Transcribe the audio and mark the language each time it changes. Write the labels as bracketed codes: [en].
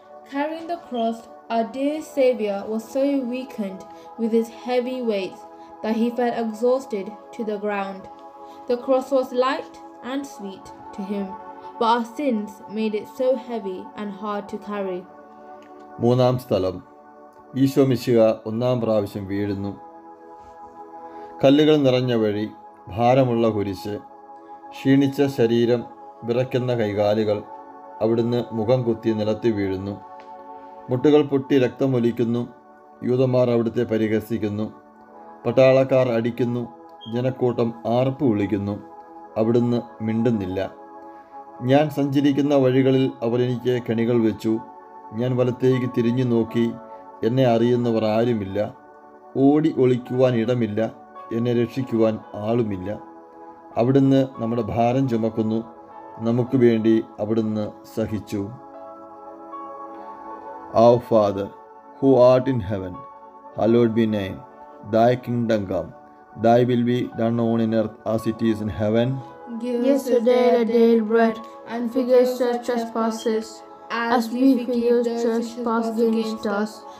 [en] Carrying the cross, our dear Savior was so weakened with his heavy weight that he fell exhausted to the ground. The cross was light and sweet to him, but our sins made it so heavy and hard to carry. [ml] മൂന്നാം സ്ഥലം, ഈശോ മിശിഹ ഒന്നാം പ്രാവശ്യം വീഴുന്നു. കല്ലുകൾ നിറഞ്ഞ വഴി, ഭാരമുള്ള കുരിശ്, ക്ഷീണിച്ച ശരീരം, വിറയ്ക്കുന്ന കൈകാലുകൾ, അവിടുന്ന് മുഖം കുത്തി നിലത്ത് വീഴുന്നു, മുട്ടുകൾ പൊട്ടി രക്തമൊലിക്കുന്നു, യൂതന്മാർ അവിടുത്തെ പരിഹസിക്കുന്നു, പട്ടാളക്കാർ അടിക്കുന്നു, ജനക്കൂട്ടം ആർപ്പ് വിളിക്കുന്നു, അവിടുന്ന് മിണ്ടുന്നില്ല. ഞാൻ സഞ്ചരിക്കുന്ന വഴികളിൽ അവരെനിക്ക് കെണികൾ വെച്ചു, ഞാൻ വലത്തേക്ക് തിരിഞ്ഞു നോക്കി, എന്നെ അറിയുന്നവർ ആരുമില്ല, ഓടി ഒളിക്കുവാൻ ഇടമില്ല, എന്നെ രക്ഷിക്കുവാൻ ആളുമില്ല. അവിടുന്ന് നമ്മുടെ ഭാരം ചുമക്കുന്നു, നമുക്ക് വേണ്ടി അവിടുന്ന് സഹിച്ചു. [en] Our Father, who art in heaven, hallowed be name. Thy kingdom come. Thy will be done on earth as it is in heaven. Give us today our daily bread, and forgive us our trespasses, as we forgive those who trespass against us.